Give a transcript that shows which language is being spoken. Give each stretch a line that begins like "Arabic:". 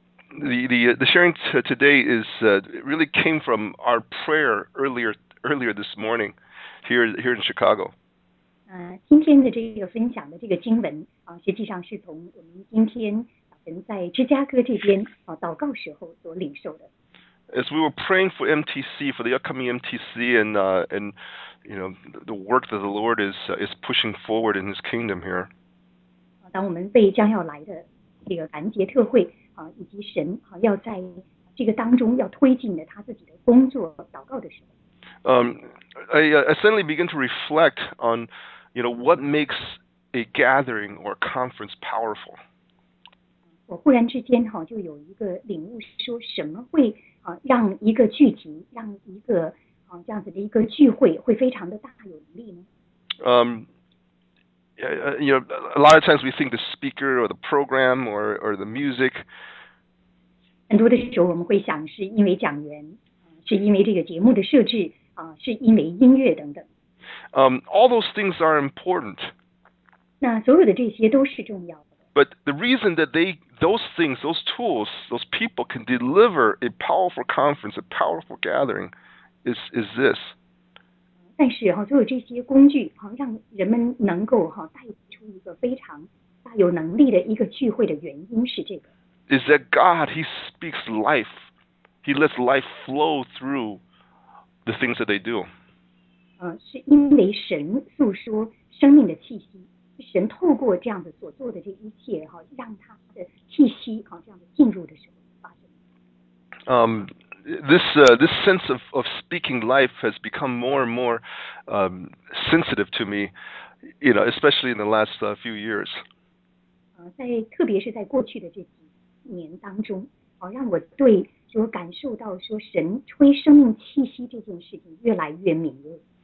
English: And the sharing today is really came from our prayer earlier this morning. Here in Chicago.
Chinese: 今天的这个分享的这个经文啊，实际上是从我们今天早晨在芝加哥这边啊祷告时候所领受的。
English: As we were praying for MTC, for the upcoming MTC, and you know the work that the Lord is pushing forward in His kingdom here.
Chinese: 当我们被将要来的这个感节特会啊，以及神啊要在这个当中要推进的他自己的工作祷告的时候。
English: I suddenly begin to reflect on, you know, what makes a gathering or a conference powerful.
Chinese: 我忽然之间哈就有一个领悟，说什么会啊让一个聚集，让一个啊这样子的一个聚会会非常的大有能力呢？
English: You know, a lot of times we think the speaker or the program or the music.
Chinese: 很多的时候我们会想是因为讲员，是因为这个节目的设置。是因为音乐等等。
English: All those things are important.
Chinese: 那所有的这些都是重要的。
English: But the reason that they, those things, those tools, those people can deliver a powerful conference, a powerful gathering, is this.
Chinese: 但是哈，所有这些工具哈，让人们能够哈带出一个非常大有能力的一个聚会的原因是这个。
English: Is that God? He speaks life. He lets life flow through. The things that they do.
Chinese: 是因为神诉说生命的气息，神透过这样的所做的这一切哈，让他的气息哈这样的进入的时候发生。
English: This sense of speaking life has become more and more sensitive to me, you know, especially in the last few years.
Chinese: 在特别是在过去的这几年当中，让我对。就感受到说神吹生命气息这件事情越来越敏锐。